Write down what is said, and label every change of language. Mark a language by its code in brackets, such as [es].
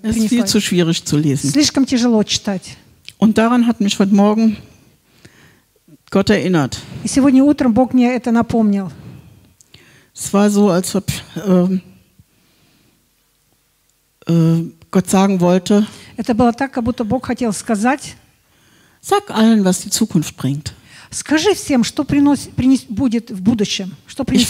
[de] Es ist viel zu schwierig zu lesen. [ru] Слишком тяжело читать. [de] Und daran hat mich heute Morgen Gott erinnert. [ru] И сегодня утром Бог мне это напомнил. [de] Es war so, als ob Gott sagen wollte. [ru] Это было так, как будто Бог хотел сказать. [de] Sag allen, was die Zukunft bringt. [ru] Скажи всем, что будет в будущем. Что принесет